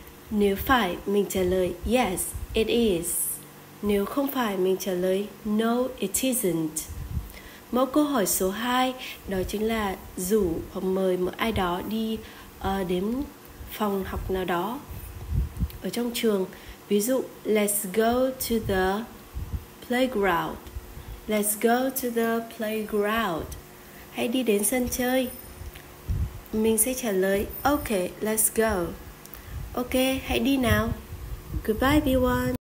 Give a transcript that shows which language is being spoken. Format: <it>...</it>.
<vi>Nếu phải, mình trả lời</vi> <en>yes, it is.</en> <vi>Nếu không phải, mình trả lời</vi> <en>no, it isn't.</en> <vi>Mẫu câu hỏi số 2 đó chính là rủ hoặc mời một ai đó đi đến phòng học nào đó ở trong trường. Ví dụ,</vi> <en>let's go to the playground. Let's go to the playground.</en> <vi>Hãy đi đến sân chơi. Mình sẽ trả lời</vi> <en>okay, let's go.</en> <vi>Okay, hãy đi nào.</vi> <en>Goodbye everyone.</en>